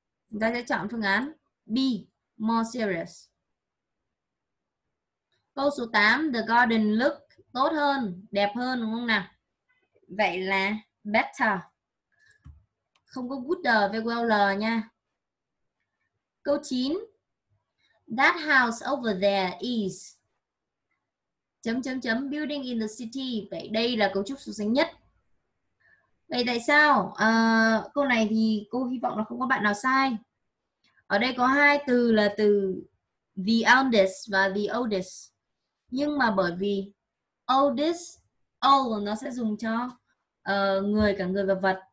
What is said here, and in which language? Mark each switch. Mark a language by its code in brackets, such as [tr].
[vi] Chúng ta sẽ chọn phương án B, more serious. Câu số 8. [en] The garden look [vi] tốt hơn, đẹp hơn đúng không nào? Vậy là better. Không có good với well nha. Câu 9. [en] That house over there is building in the city. [vi] Vậy đây là cấu trúc so sánh nhất. Vậy tại sao câu này thì cô hy vọng là không có bạn nào sai. Ở đây có hai từ là từ the eldest và the oldest. Nhưng mà bởi vì oldest, old nó sẽ dùng cho người, cả người và vật.